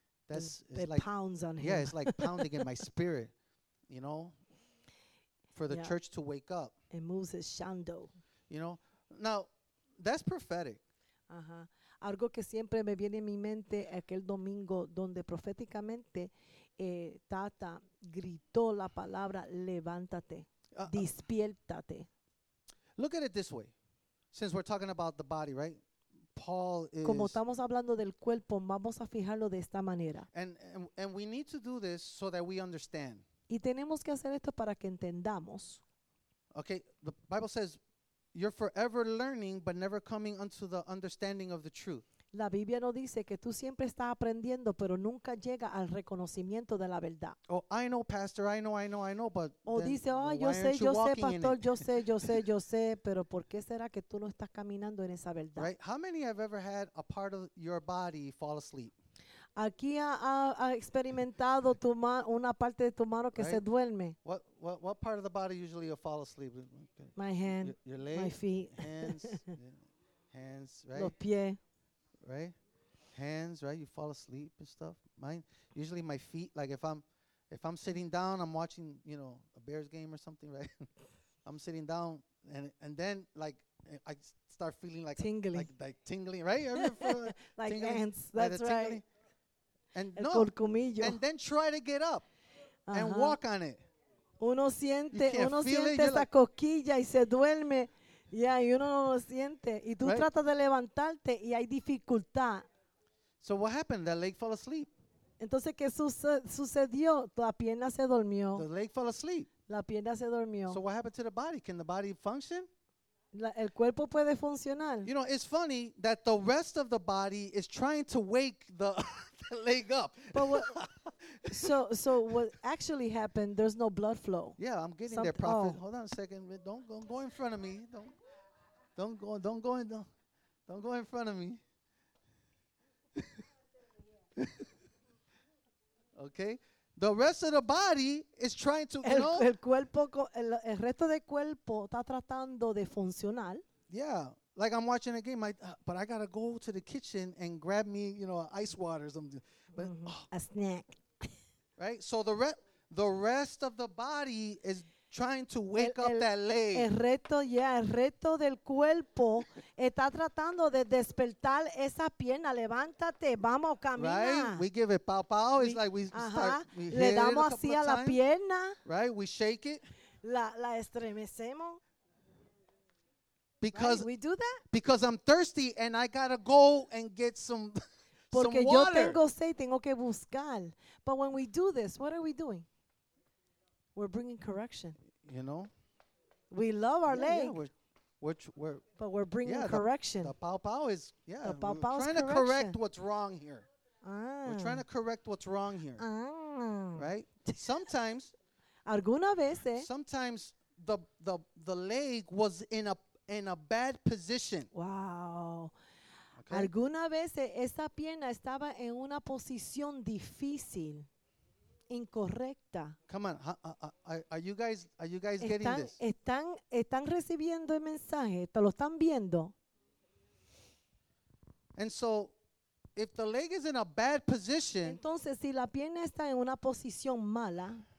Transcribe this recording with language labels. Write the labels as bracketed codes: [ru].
[en] It's like pounding in my spirit, you know, for the church to wake up. It moves his shando. You know, now, that's prophetic. Uh-huh. [es] Algo que siempre me viene en mi mente aquel domingo donde proféticamente Tata gritó la palabra, levántate, despiértate. [en] Look at it this way. Since we're talking about the body, right? Paul is... [es] Como estamos hablando del cuerpo, vamos a fijarlo de esta manera. [en] And we need to do this so that we understand. [es] Y tenemos que hacer esto para que entendamos. [en] Okay, the Bible says... You're forever learning, but never coming unto the understanding of the truth. [es] La Biblia no dice que tú siempre estás aprendiendo, pero nunca llega al reconocimiento de la verdad. [en] Oh, I know, Pastor. I know, but. [es] O dice, oh, yo sé, yo sé, Pastor, yo sé, pero ¿por qué será que tú no estás caminando en esa verdad? [en] Right? How many have ever had a part of your body fall asleep? [es] Aquí ha experimentado una parte de tu mano que se duerme. [en] What part of the body usually you fall asleep? My hand. Your leg. My feet. Hands. Hands, right? [es] Los pies. [en] Right? Hands, right? You fall asleep and stuff. Mine, usually my feet, like if I'm sitting down, I'm watching, you know, a Bears game or something, right? I'm sitting down and then like I start feeling like tingling. Like tingling, right? Like ants. That's like right. And then try to get up and walk on it. [es] Uno siente esa cosquilla y se duerme. Yeah, y uno lo siente. Y tú tratas de levantarte y hay dificultad. [en] So what happened? That leg fell asleep. [es] Entonces, ¿qué sucedió? La pierna se durmió. [en] The leg fell asleep. [es] La pierna se durmió. [en] So what happened to the body? Can the body function? [es] El cuerpo puede funcionar. [en] You know, it's funny that the rest of the body is trying to wake the... leg up. But what, so what actually happened, there's no blood flow. Yeah, I'm getting there, Prophet. Oh. Hold on a second. Don't go in front of me. Don't go in front of me. Okay. The rest of the body is trying to, you know. [es] El resto del cuerpo está tratando de funcionar. [en] Yeah. Like I'm watching a game, but I gotta go to the kitchen and grab me, you know, ice water or something. But a snack. Right? So the rest of the body is trying to wake up that leg. [es] El resto del cuerpo está tratando de despertar esa pierna. Levántate, vamos, camina. [en] Right? We give it pow pow. It's like [es] le damos así a la pierna. [en] Right? We shake it. [es] La estremecemos. [en] Because we do that? Because I'm thirsty and I gotta go and get some [es] porque [en] some [es] yo [en] water. [es] Tengo sed, tengo que buscar. [en] But when we do this, what are we doing? We're bringing correction. You know? We love our leg. Yeah, but we're bringing correction. The pow pow is, the pow pow is correction. We're trying to correct what's wrong here. We're trying to correct what's wrong here. Right? Sometimes. [es] Alguna veces. [en] Sometimes the leg was in a bad position. Wow. Okay. [es] Alguna vez esa pierna estaba en una posición difícil, incorrecta. [en] Come on. Are you guys getting this? [es] Están recibiendo el mensaje. ¿Te lo están viendo? [en] And so If the leg is in a bad position, [es] entonces si la pierna está en una posición mala,